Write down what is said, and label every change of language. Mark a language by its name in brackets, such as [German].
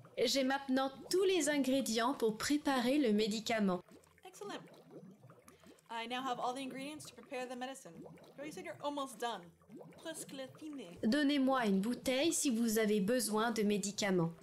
[French] J'ai maintenant tous les ingrédients pour préparer le médicament. Excellent. [English] I now have all the ingredients to prepare the medicine. You said you're almost done. [French] presque la fine. Donnez-moi une bouteille si vous avez besoin de médicaments.